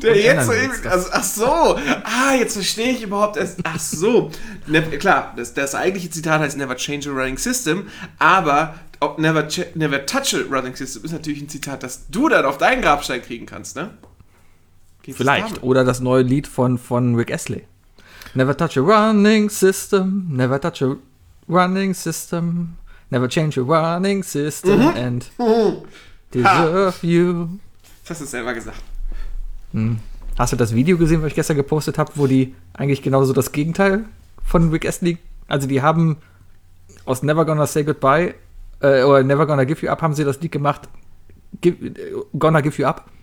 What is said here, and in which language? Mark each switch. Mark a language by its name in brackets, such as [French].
[German] Der jetzt so ewig, also, ach so, ah, jetzt verstehe ich überhaupt erst, ach so. Klar, das eigentliche Zitat heißt [English] never change a running system, [German] aber [English] never touch a running system [German] ist natürlich ein Zitat, das du dann auf deinen Grabstein kriegen kannst, ne? Geht's vielleicht, zusammen? Oder das neue Lied von Rick Astley. [English] Never touch a running system, never touch a running system, never change a running system and deserve you. [German] Hast du es selber gesagt. Hast du das Video gesehen, was ich gestern gepostet habe, wo die eigentlich genauso das Gegenteil von Rick Astley, also die haben aus Never Gonna Say Goodbye oder Never Gonna Give You Up haben sie das Lied gemacht, Gonna Give You Up.